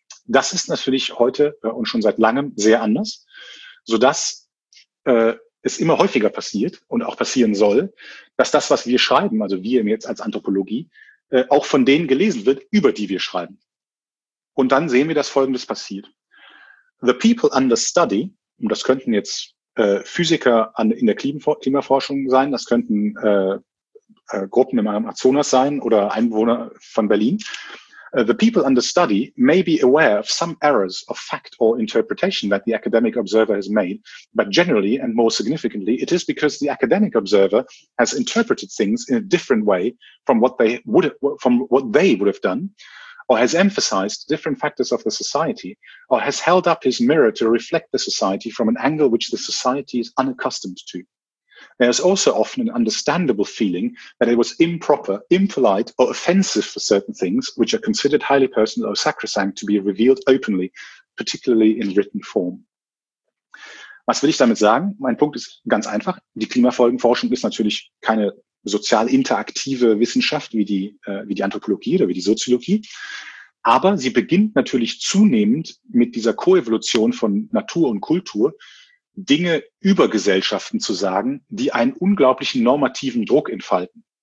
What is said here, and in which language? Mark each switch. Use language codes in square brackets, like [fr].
[de] Das ist natürlich heute und schon seit langem sehr anders, sodass es immer häufiger passiert und auch passieren soll, dass das, was wir schreiben, also wir jetzt als Anthropologie, auch von denen gelesen wird, über die wir schreiben. Und dann sehen wir, dass Folgendes passiert. [en] The people under study, [de] und das könnten jetzt Physiker in der Klimaforschung sein, das könnten Gruppen im Amazonas sein oder Einwohner von Berlin. [en] The people under study may be aware of some errors of fact or interpretation that the academic observer has made, but generally and more significantly, it is because the academic observer has interpreted things in a different way from what they would have done, or has emphasized different factors of the society, or has held up his mirror to reflect the society from an angle which the society is unaccustomed to. There is also often an understandable feeling that it was improper, impolite, or offensive for certain things which are considered highly personal or sacrosanct to be revealed openly, particularly in written form. [de] Was will ich damit sagen? Mein Punkt ist ganz einfach. Die Klimafolgenforschung ist natürlich keine sozial interaktive Wissenschaft wie die Anthropologie oder wie die Soziologie. Aber sie beginnt natürlich zunehmend mit dieser Koevolution von Natur und Kultur, Dinge über Gesellschaften zu sagen, die einen unglaublichen normativen Druck entfalten.